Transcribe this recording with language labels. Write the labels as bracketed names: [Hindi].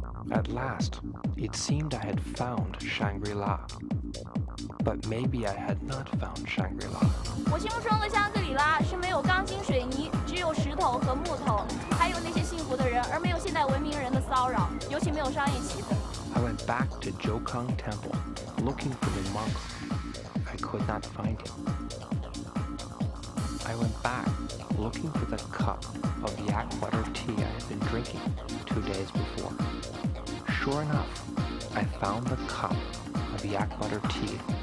[English] At last, it seemed I had found Shangri-la. But maybe I had not found Shangri-la. [Chinese] 我心目中的香格里拉是没有钢筋水泥，只有石头和木头，还有那些幸福的人，而没有现代文明人的骚扰，尤其没有商业气氛。 [English] I went back to Jokang Temple, looking for the monk. I could not find him. I went back, looking for the cup of yak butter tea I had been drinking 2 days before. Sure enough, I found the cup of yak butter tea.